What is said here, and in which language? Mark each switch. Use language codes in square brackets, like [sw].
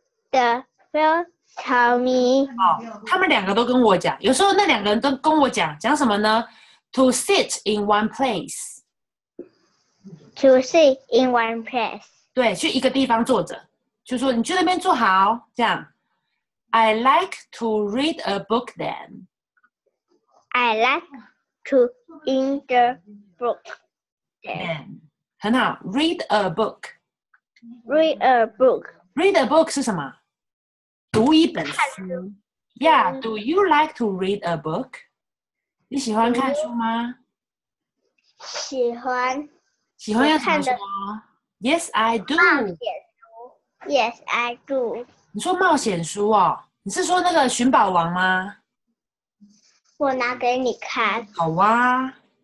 [en] They both tell me.、 [zh] 哦、他们两个都跟我讲。有时候那两个人都跟我讲，讲什么呢 ？ [en] To sit in one place. To sit in one place. [zh] 对，去一个地方坐着，就说你去那边坐好，这样。 [en] I like to read a book then. I like to read a book then. [zh] 很好 [en] ，read a book. Read a book. Read a book [zh] 是什么？读一本书。Yeah. [en] Do you like to read a book? [zh] 你喜欢看书吗？喜欢。喜欢要怎么说 ？ [en] Yes, I do. [zh] 冒险书。 [en] Yes, I do. [zh] 你说冒险书哦？你是说那个寻宝王吗？我拿给你看。好啊。